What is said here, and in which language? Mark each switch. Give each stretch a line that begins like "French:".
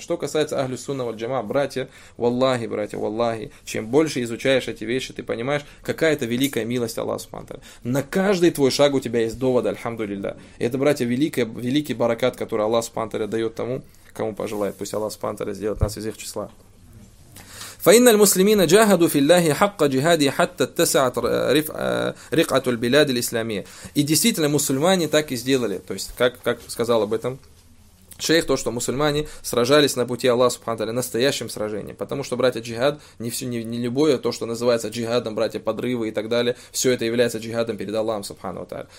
Russian: Что касается Ахлю Сунна валь Джама, братья, валлахи, чем больше изучаешь эти вещи, ты понимаешь, какая это великая милость Аллаха Субхана. На каждый твой шаг у тебя есть доводы, альхамдулилля. Это, братья, великая, великий баракат, который Аллах Субхана дает тому, кому пожелает. Пусть Аллах Субхана Тааля сделает нас из их числа.
Arabic: فإن المسلمين جاهدوا في الله حق جهاده حتى اتسعت رقعة البلاد الإسلامية.
Russian: И действительно, мусульмане так и сделали. То есть, как сказал об этом шейх, то, что мусульмане сражались на пути Аллаха Субхана Тааля настоящим сражением. Потому что, братья, джихад, не любое то, что называется джихадом, братья, подрывы и так далее, все это является джихадом перед Аллахом Субхана Тааля.